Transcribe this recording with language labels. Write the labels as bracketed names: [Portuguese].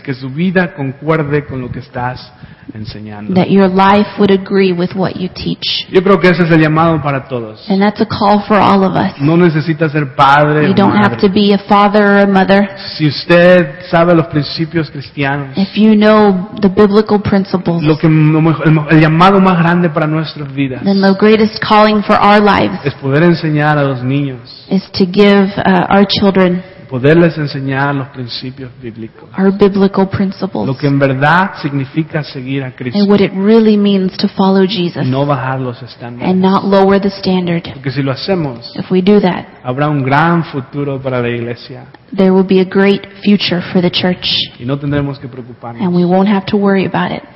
[Spanish] Que su vida concuerde con lo que estás enseñando. [English] That your life would agree with what you teach. [Spanish] Yo creo que ese es el llamado para todos. [English] And that's a call for all of us. [Spanish] No necesitas ser padre. [English] You don't have to be a father or a mother. [Spanish] Si usted sabe los principios cristianos. [English] If you know the biblical principles. [Spanish] Lo que el llamado más grande para nuestras vidas. [English] Then the greatest calling for our lives. [Spanish] Es poder enseñar a los niños. [English] Is to give our children. [Spanish] Poderles enseñar los principios bíblicos. [English] Our biblical principles. [Spanish] Lo que en verdad significa seguir a Cristo. [English] And what it really means to follow Jesus. [Spanish] Y no bajar los estándares. [English] And not lower the standard. [Spanish] Porque si lo hacemos. [English] If we do that. [Spanish] Habrá un gran futuro para la iglesia. [English] There will be a great future for the church. [Spanish] Y no tendremos que preocuparnos. [English] And we won't have to worry about it.